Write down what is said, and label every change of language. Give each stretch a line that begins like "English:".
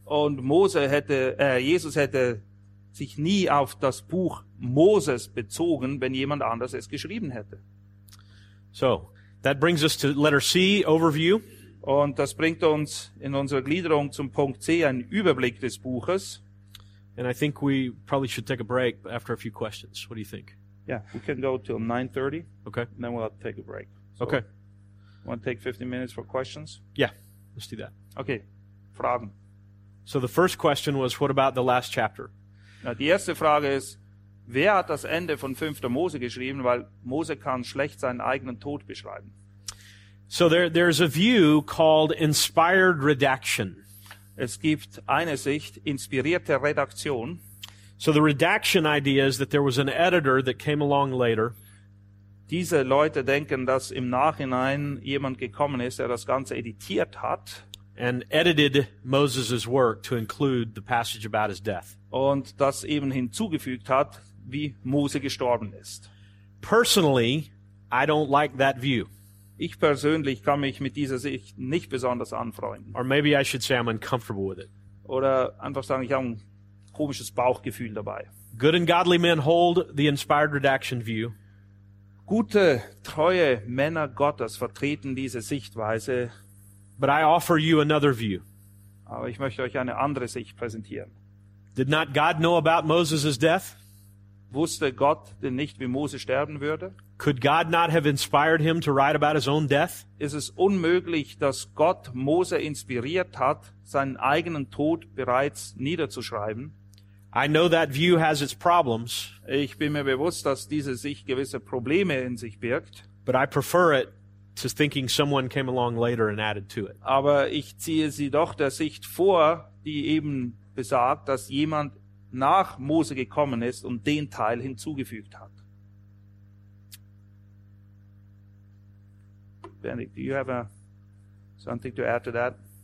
German: Und Jesus hätte sich nie auf das Buch Moses bezogen, wenn jemand anders es geschrieben hätte.
English: So, that brings us to letter C, overview.
German: Und das bringt uns in unserer Gliederung zum Punkt C, ein Überblick des Buches.
English: And I think we probably should take a break after a few questions. What do you think? Yeah, we can go till 9:30. Okay. And then we'll have to take a break. So okay. Want to take 15 minutes for questions? Yeah, let's do that.
German: Okay, Fragen.
English: So the first question was, what about the last chapter?
German: Na, die erste Frage ist, wer hat das Ende von 5. Mose geschrieben? Weil Mose kann schlecht seinen eigenen Tod beschreiben.
English: So there's a view called inspired redaction.
German: Es gibt eine Sicht, inspirierte Redaktion.
English: So the redaction idea is that there was an editor that came along later.
German: Diese Leute denken, dass im Nachhinein jemand gekommen ist, der das Ganze editiert hat.
English: And edited Moses' work to include the passage about his death.
German: Und das eben hinzugefügt hat, wie Mose gestorben ist.
English: Personally, I don't like that view.
German: Ich persönlich kann mich mit dieser Sicht nicht besonders anfreunden.
English: Or maybe I should say I'm uncomfortable with it.
German: Oder einfach sagen, ich habe ein komisches Bauchgefühl dabei.
English: Good and godly men hold the inspired redaction view.
German: Gute, treue Männer Gottes vertreten diese Sichtweise.
English: But I offer you another view.
German: Aber ich möchte euch eine andere Sicht präsentieren.
English: Did not God know about Moses' death?
German: Wusste Gott denn nicht, wie Mose sterben würde?
English: Could God not have inspired him to write about his own death?
German: Ist es unmöglich, dass Gott Mose inspiriert hat, seinen eigenen Tod bereits niederzuschreiben?
English: I know that view has its problems.
German: Ich bin mir bewusst, dass diese Sicht gewisse Probleme in sich birgt.
English: But I prefer it to thinking someone came along later and added to it.
German: Aber ich ziehe sie doch der Sicht vor, die eben besagt, dass jemand nach Mose gekommen ist und den Teil hinzugefügt hat.
English: Benedict, do you have something to add to that?